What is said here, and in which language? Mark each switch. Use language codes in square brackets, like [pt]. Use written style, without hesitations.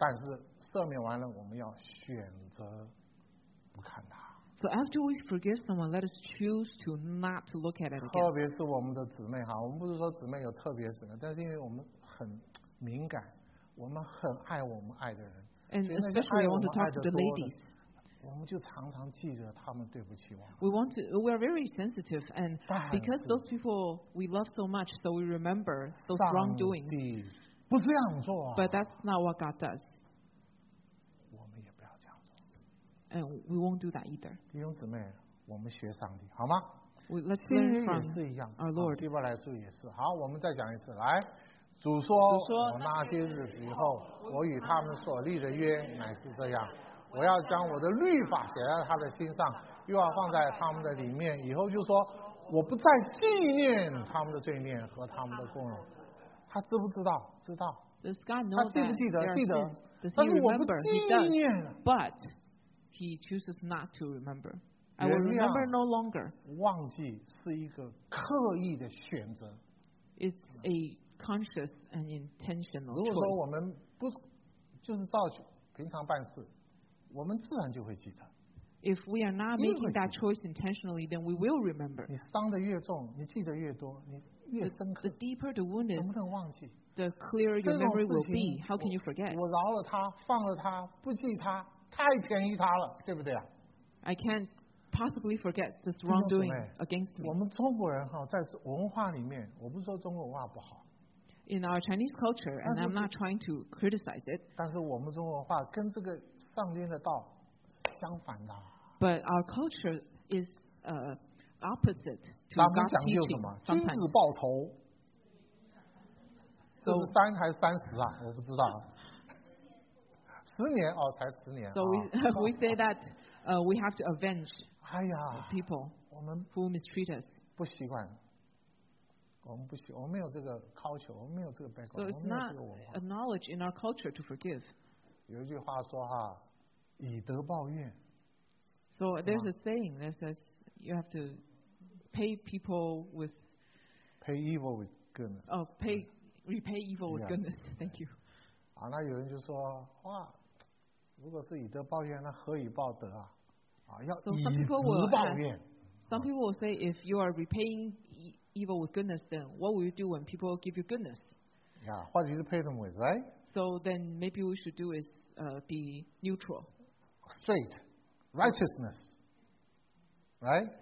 [zh] 但是赦免完了，我们要选择不看他。 [en] So after we forgive someone, let us choose to not to look at it again. [zh] 特别是我们的姊妹哈，我们不是说姊妹有特别什么，但是因为我们很敏感，我们很爱我们爱的人。 [en] And especially, I want to talk to the ladies. [zh] 我们就常常记着他们对不起我们。 [en] We want to. We are very sensitive, and because those people we love so much, so we remember those wrongdoings. [zh] 不这样做。 [en] But that's not what God does. [zh] 我们也不要这样做。 [en] And we won't do that either. [zh] 弟兄姊妹，我们学上帝好吗？ [en] Let's learn from our Lord. [zh] 希伯来书也是。好，我们再讲一次，来。主说：“我那些日子以后，我与他们所立的约乃是这样。” 我要将我的律法写在他的心上，又要放在他们的里面。以后就说，我不再纪念他们的罪孽和他们的过犯。他知不知道？知道。 [en] Does God know that there are sins? Does he remember? [zh] 但是我不纪念。 [en] But he chooses not to remember. I will remember no longer. [zh] 忘记是一个刻意的选择。 [en] It's a conscious and intentional choice. [zh] 如果说我们不就是照平常办事。我们自然就会记得。 [en] If we are not making that choice intentionally, then we will remember. [zh] 你伤得越重，你记得越多，你越深刻。 [en] The deeper the wound is, [zh] 能不能忘记 [en] ？The clearer your memory will be. How can you forget? [zh] 我饶了他，放了他，不记他，太便宜他了，对不对啊 [en] ？I can't possibly forget this wrongdoing against me. [zh] 我们中国人哈，在文化里面，我不是说中国文化不好。 [en] In our Chinese culture, and I'm not trying to criticize it. [zh] 但是我们中国话跟这个上天的道相反的。 [en] But our culture is opposite to God's teaching. [zh] 讲究什么？君子报仇。 [en] So [zh] 三还是三十啊？我不知道。十年哦，才十年。 [en] So we say that we have to avenge. 哎呀，people [zh] 我们 [en] who mistreat us [zh] 不习惯。我们不喜，我们没有这个 culture， 我们没有这个 background， 我们没有这个文化。 [en] So it's not a knowledge in our culture to forgive. 有一句话说哈，以德报怨。 So there's a saying that says you have to pay people with pay evil with goodness. Oh, pay repay evil with goodness. Thank you. [zh] 啊，那有人就说哇，如果是以德报怨，那何以报德啊？啊，要以德报怨。 [en] Some people will say if you are repaying evil with goodness, then what will you do when people give you goodness? Yeah, what do you pay them with, right? So then maybe we should do is be neutral. Straight. Righteousness. Right?